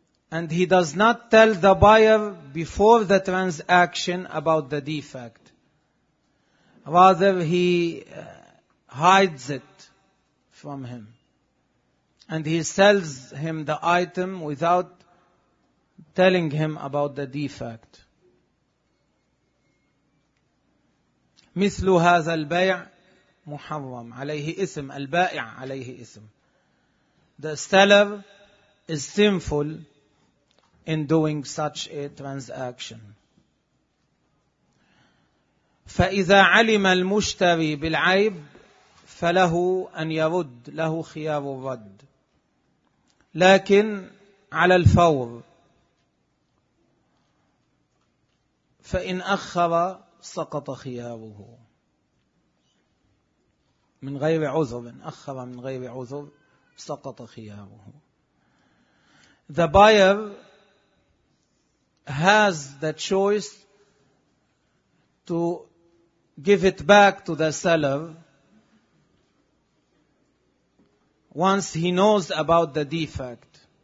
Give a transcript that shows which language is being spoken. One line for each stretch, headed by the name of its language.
English: And he does not tell the buyer before the transaction about the defect. Rather, he hides it from him. And he sells him the item without telling him about the defect.
Arabic: مثل هذا البيع محرم عليه اسم البائع عليه اسم.
English: The seller is sinful in doing such a transaction.
Arabic: فإذا علم المشتري بالعيب فله أن يرد له خيار الرد لكن على الفور فإن أخر سقط خياره من غير عذر إن أخر من غير عذر سقط خياره.
English: The buyer has the choice to give it back to the seller once he knows about the defect.